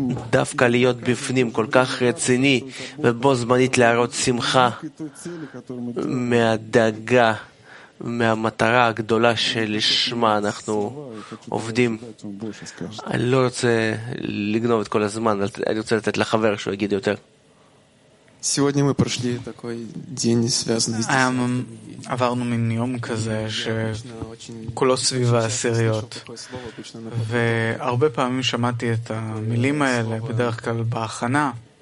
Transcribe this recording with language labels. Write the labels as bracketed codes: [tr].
[he] דווקא להיות בפנים כל כך רציני ובו זמנית להראות שמחה מהדאגה, מהמטרה הגדולה שלשמה אנחנו עובדים. אני לא רוצה לגנוב את כל הזמן, אני רוצה לתת לחבר שהוא יגיד יותר. [ru] Сегодня мы прошли такой день, связанный с десятым. [he] עברנו מין יום כזה שכולו סביב העשיריות, והרבה פעמים שמעתי את המילים האלה בדרך כלל בהכנה.